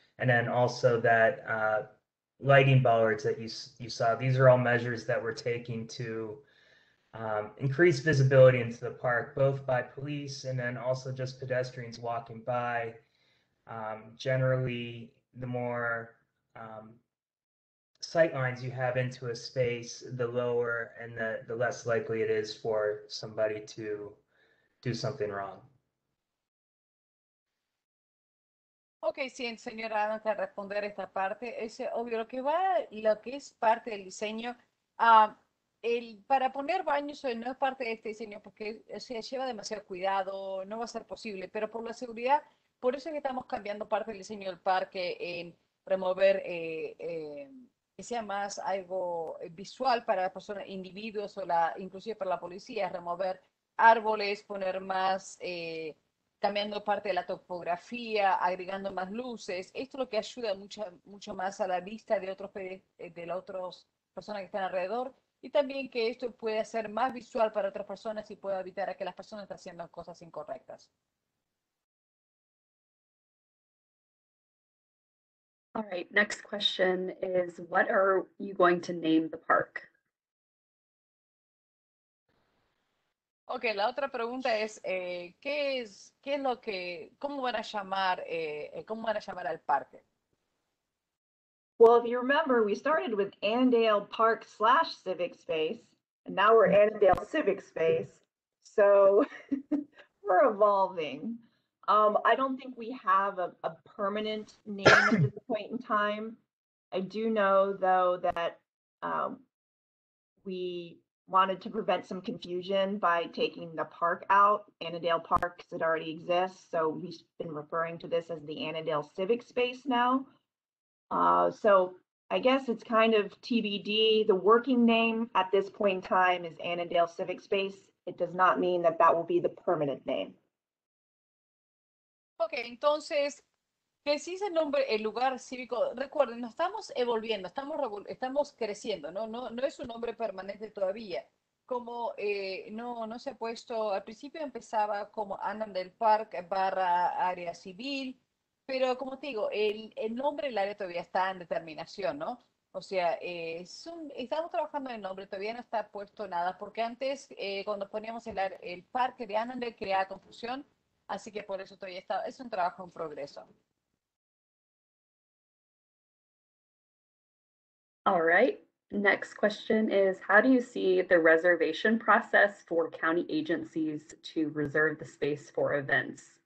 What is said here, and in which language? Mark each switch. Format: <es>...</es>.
<en>And then also that lighting bollards that you saw, these are all measures that we're taking to increase visibility into the park, both by police and then also just pedestrians walking by. Generally, the more sight lines you have into a space, the lower and the less likely it is for somebody to do something wrong.</en> <es>Ok, sí, señora, antes de responder esta parte, es obvio lo que va, lo que es parte del diseño. Para poner baños no es parte de este diseño porque lleva demasiado cuidado, no va a ser posible, pero por la seguridad, por eso es que estamos cambiando parte del diseño del parque en remover que sea más algo visual para las personas, individuos o inclusive para la policía, remover árboles, poner más. Cambiando parte de la topografía, agregando más luces. Esto es lo que ayuda mucho más a la vista de otras personas que están alrededor. Y también que esto puede ser más visual para otras personas y puede evitar a que las personas estén haciendo cosas incorrectas.</es> <en>All right, next question is, what are you going to name the park?</en> <es>Okay, la otra pregunta es cómo van a llamar al parque.</es> <en>Well, if you remember, we started with Annandale Park / Civic Space, and now we're Annandale Civic Space. So we're evolving. I don't think we have a permanent name at this point in time. I do know though that we wanted to prevent some confusion by taking the park out, Annandale Park, because it already exists. So we've been referring to this as the Annandale Civic Space now. So I guess it's kind of TBD. The working name at this point in time is Annandale Civic Space. It does not mean that that will be the permanent name.</en> <es>Okay, entonces, que si es el nombre, el lugar cívico, recuerden, nos estamos evolviendo, estamos creciendo, ¿no? No es un nombre permanente todavía. Como no se ha puesto, al principio empezaba como Annandale Park / Área Civil, pero como te digo, el nombre del área todavía está en determinación, ¿no? O sea, estamos trabajando en el nombre, todavía no está puesto nada, porque antes, cuando poníamos el parque de Annandale, creaba confusión, así que por eso todavía está, es un trabajo en progreso.</es> <en>All right, next question is, how do you see the reservation process for county agencies to reserve the space for events?</en>